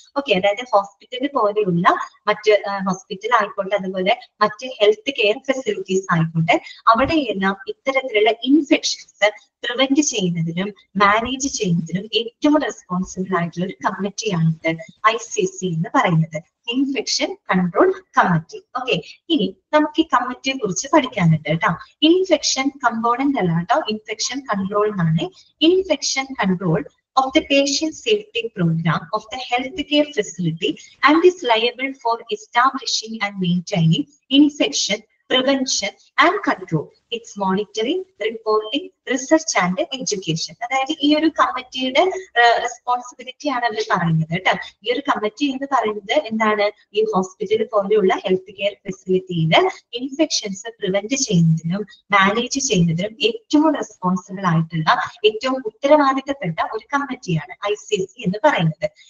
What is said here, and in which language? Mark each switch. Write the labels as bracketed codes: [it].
[ml] Okay, അതായത് hospital പോലെയുള്ള മറ്റ് ഹോസ്പിറ്റൽ ആയിക്കോട്ടെ, അതുപോലെ മറ്റ് ഹെൽത്ത് കെയർ ഫെസിലിറ്റീസ് ആയിക്കോട്ടെ, അവിടെയെല്ലാം ഇത്തരത്തിലുള്ള ഇൻഫെക്ഷൻസ് പ്രിവെന്റ് ചെയ്യുന്നതിനും മാനേജ് ചെയ്യുന്നതിനും ഏറ്റവും റെസ്പോൺസിബിൾ ആയിട്ടുള്ള ഒരു കമ്മിറ്റിയാണിത്, ഐ സി സി എന്ന് പറയുന്നത്, ഇൻഫെക്ഷൻ കൺട്രോൾ കമ്മിറ്റി. ഓക്കെ, ഇനി നമുക്ക് ഈ കമ്മിറ്റിയെ കുറിച്ച് പഠിക്കാനുണ്ട് കേട്ടോ. ഇൻഫെക്ഷൻ കമ്പോണന്റ് അല്ല കേട്ടോ ഇൻഫെക്ഷൻ കൺട്രോൾ എന്നാണ്. [en] Infection control of the patient safety program of the healthcare facility and is liable for establishing and maintaining infection prevention and control its monitoring reporting research and education. [ml] അതായത് ഈ ഒരു കമ്മിറ്റിയുടെ responsibility ആണ് അവർ പറയുന്നത് കേട്ടോ. ഈ ഒരു കമ്മിറ്റി എന്ന് പറയുന്നത് എന്താണ്, ഈ ഹോസ്പിറ്റൽ പോലെയുള്ള ഹെൽത്ത് കെയർ ഫെസിലിറ്റിയില് ഇൻഫെക്ഷൻസ് പ്രിവെന്റ് ചെയ്യുന്നതിനും മാനേജ് ചെയ്യുന്നതിനും ഏറ്റവും റെസ്പോൺസിബിൾ ആയിട്ടുള്ള, ഏറ്റവും ഉത്തരവാദിത്തപ്പെട്ട ഒരു കമ്മിറ്റിയാണ് ഐ സി സി എന്ന് പറയുന്നത്.